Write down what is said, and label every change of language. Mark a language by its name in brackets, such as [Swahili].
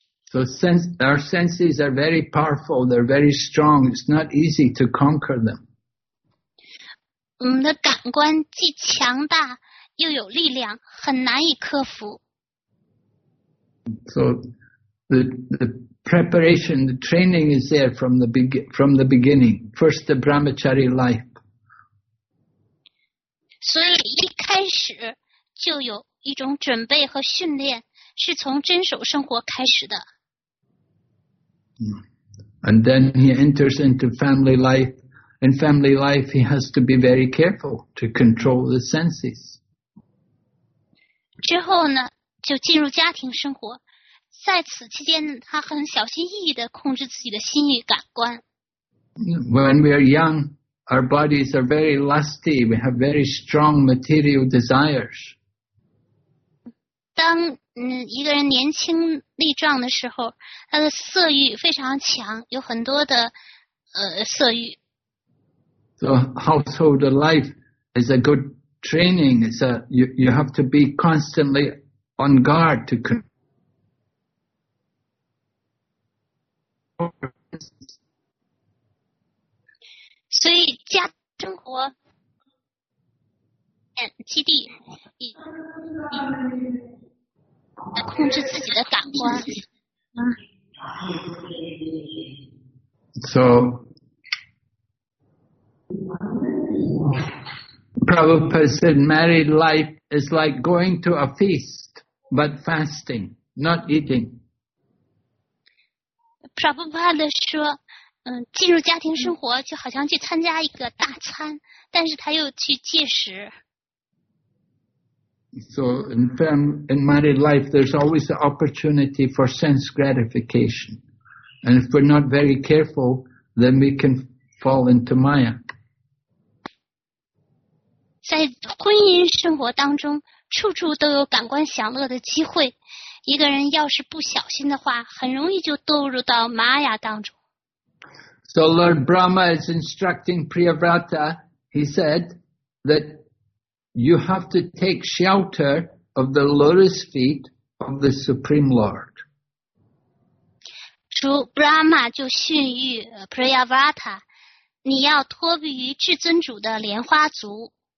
[English] So our senses are very powerful, they're very strong. It's not easy to conquer them. [Chinese] 我们的感官既强大又有力量，很难以克服。 [English] So the preparation, the training is there from the beginning. First, the brahmachari life. [Chinese] 所以一开始就有一种准备和训练是从遵守生活开始的。 [English] And then he enters into family life. In family life, he has to be very careful to control the senses. [Chinese] 之后呢，就进入家庭生活。在此期间，他很小心翼翼地控制自己的心与感官。 [English] When we are young,Our bodies are very lusty. We have very strong material desires. [Chinese] 当一个人年轻力壮的时候，他的色欲非常强，有很多的色欲。 [English] So household life is a good training. It's a you have to be constantly on guard to control. [Chinese] 所以家生活基地要控制自己的感官。 [English] So, Prabhupada said married life is like going to a feast, but fasting, not eating. [Chinese] Prabhupada 说, 进入家庭生活就好像去参加一个大餐，但是他又去戒食。 [English] So in married life, there's always the opportunity for sense gratification. And if we're not very careful, then we can fall into Maya. [Chinese] 在婚姻生活当中，处处都有感官享乐的机会。一个人要是不小心的话，很容易就堕入到 Maya 当中。 [English] So Lord Brahma is instructing Priyavrata, he said, that you have to take shelter of the lotus feet of the Supreme Lord. [Chinese] 主 Brahma 就训谕 Priyavrata, 你要托庇于至尊主的莲花足。